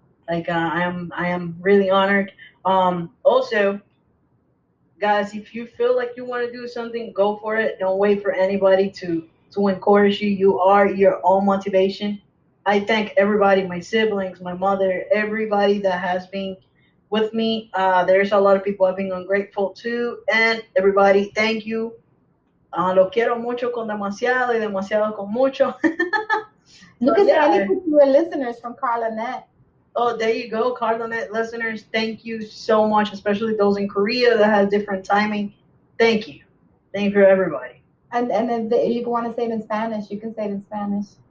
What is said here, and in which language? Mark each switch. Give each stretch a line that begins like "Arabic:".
English: Like, I am really honored. Also, guys, if you feel like you want to do something, go for it. Don't wait for anybody to encourage you. You are your own motivation. I thank everybody, my siblings, my mother, everybody that has been with me. There's a lot of people I've been ungrateful to. And everybody, thank you.
Spanish: Lo quiero mucho con demasiado y demasiado con mucho.
English: Look at any of your listeners from Karla.net. Oh, there you go, Karla.net listeners. Thank you so much, especially those in Korea that have different timing. Thank you. Thank you, everybody. And if you want to say it in Spanish, you can say it in Spanish.